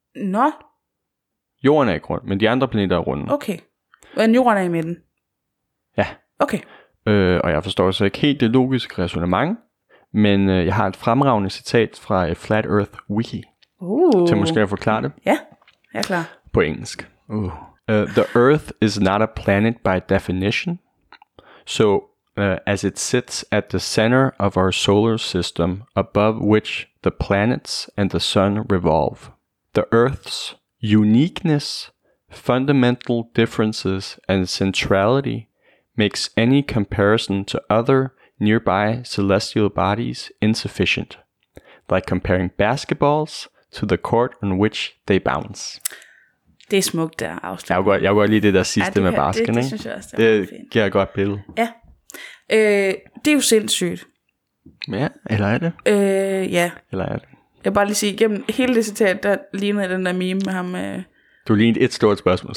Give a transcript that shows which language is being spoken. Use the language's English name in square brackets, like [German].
[Danish] Nå. Jorden er ikke rund, men de andre planeter er runde. Okay. Men jorden er i midten? Ja. Okay. Og jeg forstår så ikke helt det logiske resonemang. Men jeg har et fremragende citat fra Flat Earth Wiki. Til måske at forklare det. Ja, jeg er klar. På engelsk. [English] The Earth is not a planet by definition. So, as it sits at the center of our solar system, above which the planets and the sun revolve. The Earth's uniqueness, fundamental differences, and centrality makes any comparison to other nearby celestial bodies insufficient, like comparing basketballs to the court on which they bounce. [Danish] Det er smukt der afslutning. Jeg går lige det der sidste med basken, ikke? Det synes jeg også, det er godt billede. Ja. Det er jo sindssygt. Ja, eller er det? Ja. Eller er det? Jeg vil bare lige sige, igennem hele det citat, der lignede den der meme med ham. Du lignede et stort spørgsmål.